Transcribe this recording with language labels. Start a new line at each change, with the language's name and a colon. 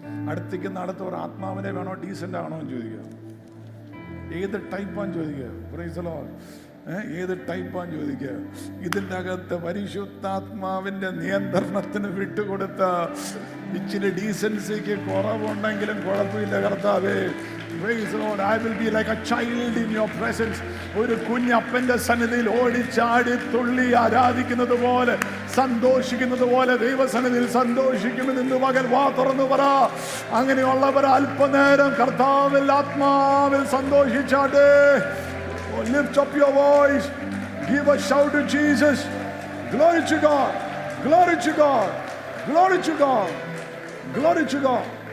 Malayalam: അടുത്തേക്കുന്ന അടുത്ത് ഒരു ആത്മാവിനെ വേണോ ഡീസൻ്റ് ആണോ എന്ന് ചോദിക്കുക. ഏത് ടൈപ്പാന്ന് ചോദിക്കുക.
English: Praise the lord.
Malayalam: ഏത് ടൈപ്പാന്ന് ചോദിക്കുക. ഇതിൻ്റെ അകത്ത് പരിശുദ്ധാത്മാവിൻ്റെ നിയന്ത്രണത്തിന് വിട്ടുകൊടുത്ത ഇച്ചിരി ഡീസൻസിക്ക് കുറവുണ്ടെങ്കിലും കുഴപ്പമില്ല കർത്താവേ.
English: Praise the Lord. I will be like a child in your presence.
Malayalam: ഒരു കുഞ്ഞ് അപ്പന്റെ സന്നിധിയിൽ ഓടിച്ചാടി തുള്ളി ആരാധിക്കുന്നത് പോലെ സന്തോഷിക്കുന്നത് പോലെ ദൈവസന്നിധിയിൽ സന്തോഷിക്കുമെന്ന് നിന്ന് മകൻ വാ തുറന്നു പറ. അങ്ങനെയുള്ളവർ അല്പനേരം കർത്താവിൽ ആത്മാവിൽ സന്തോഷിച്ചാട്ടെ.
English: Lift up your voice. Give a shout to Jesus. Glory to God. Glory to God. Glory to God. Glory to God.